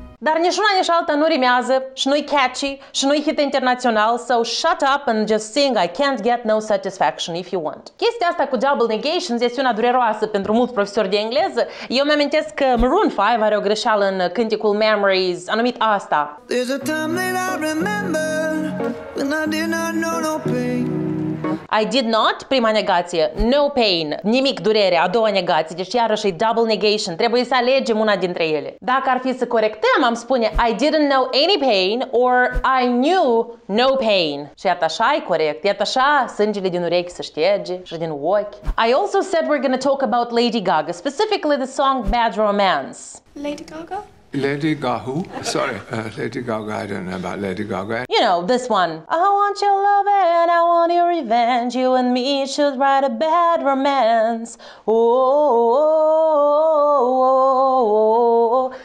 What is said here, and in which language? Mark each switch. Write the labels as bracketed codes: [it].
[ro] Dar nișuna nici alta nu rimează și nu-i catchy și nu-i hit internațional, [en] so shut up and just sing I can't get no satisfaction if you want. [ro] Chestia asta cu double negations este una dureroasă pentru mulți profesori de engleză. Eu îmi amintesc că Maroon 5 are o greșeală în cânticul Memories, anumit asta. [en] There's a time that I remember when I did not know no pain. I did not, [ro] prima negație, no pain, nimic durere, a doua negație, deci iarăși e double negation, trebuie să alegem una dintre ele. Dacă ar fi să corectăm, am spune [en] I didn't know any pain or I knew no pain. [ro] Și iată așa e corect, iată așa sângele din urechi se șterge și din ochi. [en] I also said we're gonna talk about Lady Gaga, specifically the song Bad Romance. Lady Gaga? Lady Gahu? Sorry, Lady Gaga, I don't know about Lady Gaga. You know, this one. I want your love and I want your revenge. You and me should write a bad romance.